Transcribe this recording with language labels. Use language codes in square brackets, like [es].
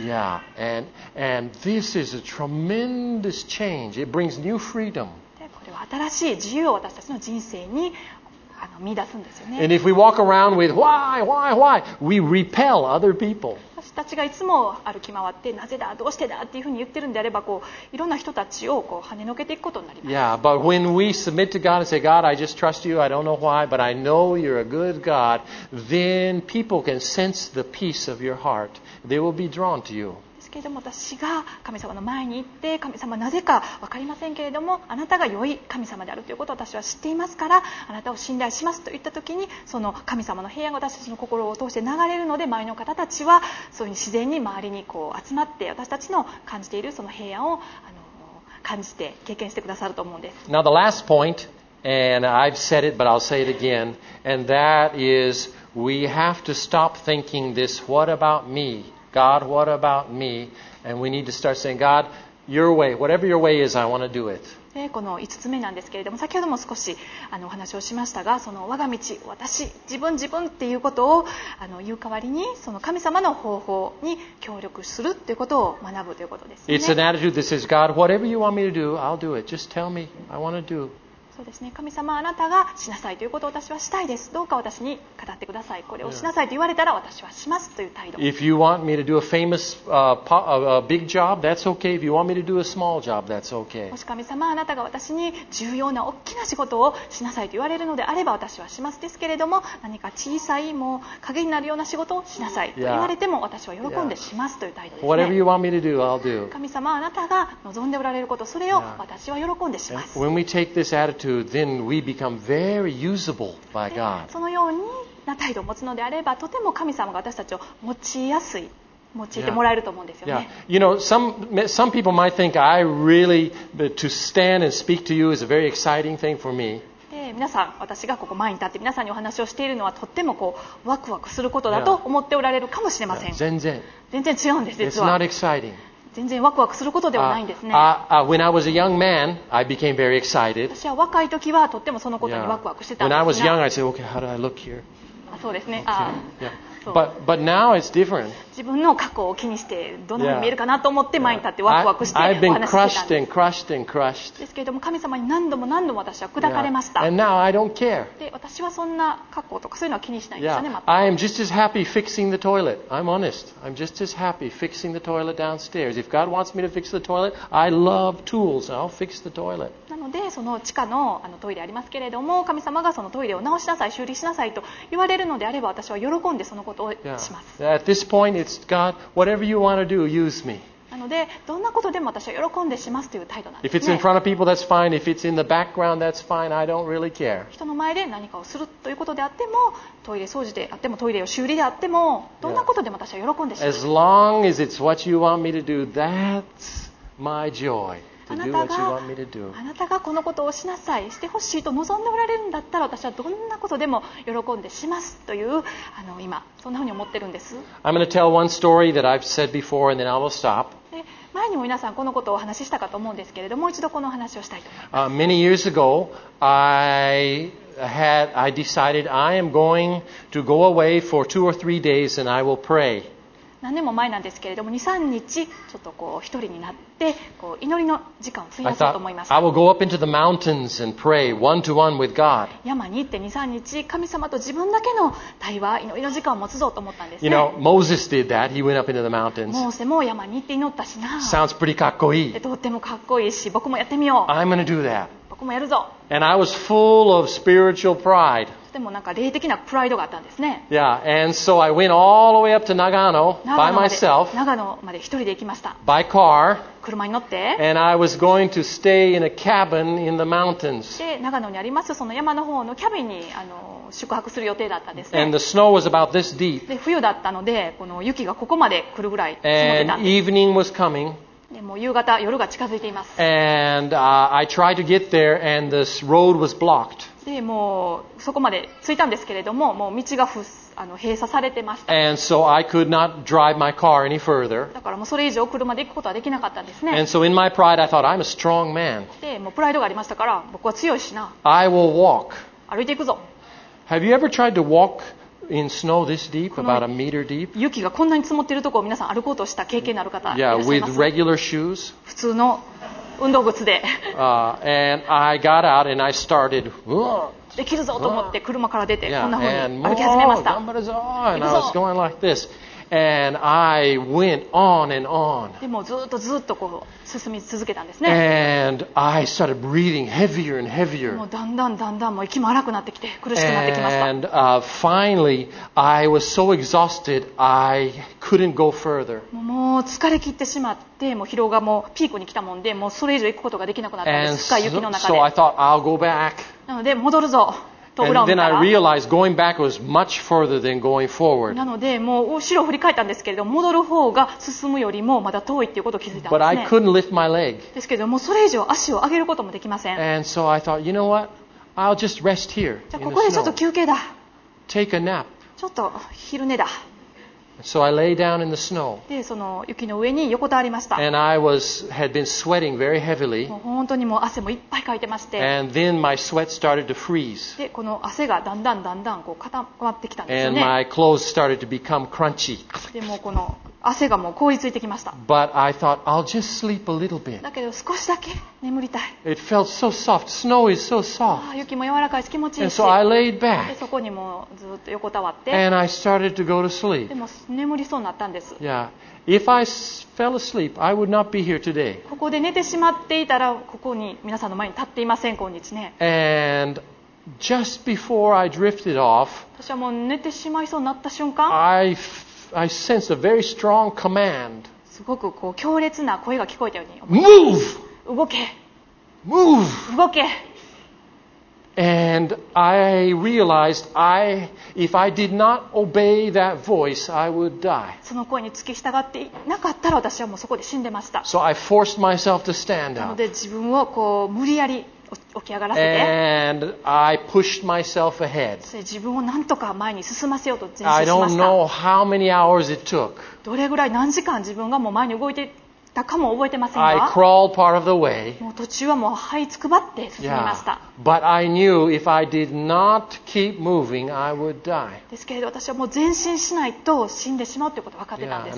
[en] Yeah, and this is a tremendous change. It brings new freedom. [ja] でこれは新しい自由を私たちの人生に見出すんですよね。 [en] And if we walk around with why, we repel other people. [ja] 私たちがいつも歩き回ってなぜだどうしてだっていうふうに言ってるんであればこういろんな人たちをこう跳ねのけていくことになります。 [en] Yeah, but when we submit to God and say, God, I just trust you, I don't know why, but I know you're a good God, then people can sense the peace of your heart. They will be drawn to you. [ja] ですけれども私が神様の前に行って神様なぜか分かりませんけれどもあなたが良い神様であるということを私は知っていますからあなたを信頼しますと言った時にその神様の平安が私たちの心を通して流れるので周りの方たちはそういう自然に周りにこう集まって私たちの感じているその平安を感じて経験してくださると思うんです。 [en] Now the last point, and I've said it but I'll say it again, and that is we have to stop thinking this, what about meGod, what about me? And we need to start saying, God, your way, whatever your way is, I want to do it. [ja] でこの5つ目なんですけれども、先ほども少しお話をしましたが、その我が道、私、自分、自分っていうことを言う代わりに、その神様の方法に協力するっていうことを学ぶということですね。 [en] It's an attitude that says, God, whatever you want me to do, I'll do it. Just tell me, I want to do. [ja] そうですね、神様あなたがしなさいということを私はしたいです、どうか私に語ってください、これをしなさいと言われたら私はしますという態度。 [en] If you want me to do a famous big job, that's okay. If you want me to do a small job, that's okay. [ja] もし神様あなたが私に重要な大きな仕事をしなさいと言われるのであれば私はします、ですけれども何か小さいもう影になるような仕事をしなさいと言われても私は喜んでしますという態度ですね。 [en] Whatever you want me to do, I'll do. [ja] 神様あなたが望んでおられること、それを私は喜んでします。 [en] When we take this attitude,Then we become very usable by God. [ja] そのような態度を持つのであればとても神様が私たちを用いやすい、用いてもらえると思うんですよね。 [en] Yeah. Yeah. You know, some people might think I really, to stand and speak to you is a very exciting thing for me. [ja] 皆さん私がここ前に立って皆さんにお話をしているのはとってもこうワクワクすることだと思っておられるかもしれません。 [en] Yeah. Yeah. [ja] 全然違うんです、実は。 [en] It's not exciting. [ja] 全然ワクワクすることではないんですね。 [en] When I was a young man, I became very excited. [ja] 私は若い時はとってもそのことにワクワクしてたんですが。 [en] When I was young, I said, okay, how do I look here? [ja] そうですね。 [en] But now it's different. [ja] 自分の過去を気にしてどのように見えるかなと思って前に立ってワクワクしてお話してたんです。 [en] I've been crushed. [ja] ですけれども神様に何度も何度も私は砕かれました。 [en] And now I don't care. [ja] で私はそんな過去とかそういうのは気にしないんですよね。 [en] I am just as happy fixing the toilet. I'm honest. I'm just as happy fixing the toilet downstairs. If God wants me to fix the toilet, I love tools. I'll fix the toilet. [ja] なのでその地下 の, あのトイレありますけれども神様がそのトイレを直しなさい修理しなさいと言われるのであれば私は喜んでそのことをします。 [en] Yeah. At this point it'sGod, whatever you want to do, use me. [ja] なのでどんなことでも私は喜んでしますという態度なんですね。 [en] If it's in front of people, that's fine. If it's in the background, that's fine. I don't really care. [ja] 人の前で何かをするということであっても、トイレ掃除であっても、トイレを修理であっても、どんなことでも私は喜んでします。 [en] As long as it's what you want me to do, that's my joy. [ja] あなたがこのことをしなさい、してほしいと望んでおられるんだったら、私はどんなことでも喜んでしますという、あの今、そんなふうに思ってるんです。 [en] I'm going to tell one story that I've said before, and then I will stop. [ja] 前にも皆さんこのことをお話ししたかと思うんですけれども、一度このお話をしたいと思います。 [en] Many years ago, I decided I am going to go away for two or three days and I will pray. [ja] 何年も前なんですけれども、2、3日ちょっとこう一人になってこう祈りの時間を費やそうと思います。 [en] I will go up into the mountains and pray one to one with God. [ja] 山に行って2、3日神様と自分だけの対話、祈りの時間を持つぞと思ったんですね。 [en] You know, Moses did that. He went up into the mountains. [ja] モーセも山に行って祈ったしな。 [en] Sounds pretty かっこいい。 [ja] とってもかっこいいし、僕もやってみよう。 [en] I'm gonna do that. [ja] 僕もやるぞ。 [en] And I was full of spiritual pride. [ja] でもなんか霊的なプライドがあったんですね。 [en] Yeah, and so I went all the way up to Nagano by myself. [ja] 長野まで一人で行きました。 [en] By car. [ja] 車に乗って。 [en] And I was going to stay in a cabin in the mountains. [ja] で、長野にありますその山の方のキャビンにあの宿泊する予定だったんですね。 [en] And the snow was about this deep. [ja] で、冬だったのでこの雪がここまで来るぐらい積もってたんです。 [en] And evening was coming. [ja] でも夕方、夜が近づいています。 [en] And, I tried to get there and this road was blocked. [ja] でもうそこまで着いたんですけれども、もう道が閉鎖されてました。 [en] And so I could not drive my car any further. [ja] だからもうそれ以上車で行くことはできなかったんですね。 [en] And so in my pride, I thought, I'm a strong man. [ja] でもうプライドがありましたから、僕は強いしな。 [en] I will walk. [ja] 歩いていくぞ。 [en] Have you ever tried to walk? In snow this deep, about a meter deep. [ja] 雪がこんなに積もっているところを皆さん歩こうとした経験のある方いらっしゃいます。 [en] Yeah, with regular shoes. [ja] 普通の運動靴で。 [en] And I got out and I started. [ja] できるぞと思って車から出てこんな風に歩き始めました。頑張るぞ。 [en] And I was going like this. And I went on and on. [ja] でもずっとずっとこう進み続けたんですね。 [en] And I started breathing heavier and heavier. [ja] もうだんだんだんだんもう息も荒くなってきて苦しくなってきました。 [en] And finally, I was so exhausted, I couldn't go further. [ja] もう疲れ切ってしまって、もう疲労がもうピークに来たもんで、もうそれ以上行くことができなくなったんです。深い雪の中で。 [en] So I thought, I'll go back. [ja] なので戻るぞ。 [en] And then I realized going back was much further than going forward. [ja] なのでもう後ろ振り返ったんですけれども戻る方が進むよりもまだ遠いっていうことを気づいたんですね。 [en] But I couldn't lift my leg. [ja] ですけどもうそれ以上足を上げることもできません。 [en] And so I thought, you know what? I'll just rest here. [ja] じゃあここでちょっと休憩だ。 [en] Take a nap. [ja] ちょっと昼寝だ。 [en] So I lay down in the snow. [ja] でその雪の上に横たわりました。 [en] And I was had been sweating very heavily. [ja] もう本当にもう汗もいっぱいかいてまして。 [en] And then my sweat started to freeze. [ja] でこの汗がだんだんだんだんこう固まってきたんですね。 [en] And my clothes started to become crunchy. [ja] でもこの汗がもう凍りついてきました。 [en] But I thought I'll just sleep a little bit. [ja] だけど少しだけ眠りたい。 [en] It felt so soft. Snow is so soft. [ja] ああ雪も柔らかいし気持ちいいし。 [en] And so I laid back. [ja] でそこにもずっと横たわって。 [en] And I started to go to sleep. [ja] でも眠りそうになったんです。 [en] Yeah. If I fell asleep, I would not be here today. [ja] ここで寝てしまっていたらここに皆さんの前に立っていません今日ね。 [en] And just before I drifted off. [ja] 私はもう寝てしまいそうになった瞬間。 [en] I sense a very strong command. [ja] すごくこう強烈な声が聞こえたように思います [en] 。 Move! [ja] 動け。 [en] Move! [ja] 動け。 [en] And I realized if I did not obey that voice, I would die. [ja] その声に付き従っていなかったら私はもうそこで死んでました。 [en] So I forced myself to stand up. [ja] なので自分をこう無理やり起き上がらせて。 [en] And I pushed myself ahead. [ja] 自分をなんとか前に進ませようと前進しました。 [en] I don't know how many hours it took. [ja] どれぐらい何時間自分がもう前に動いてたかも覚えてませんが、 [en] I crawled part of the way. [ja] もう途中はもう這いつくばって進みました。 [en] Yeah. But I knew if I did not keep moving, I would die. [ja] ですけれど、私はもう前進しないと死んでしまうということを分かってたんです。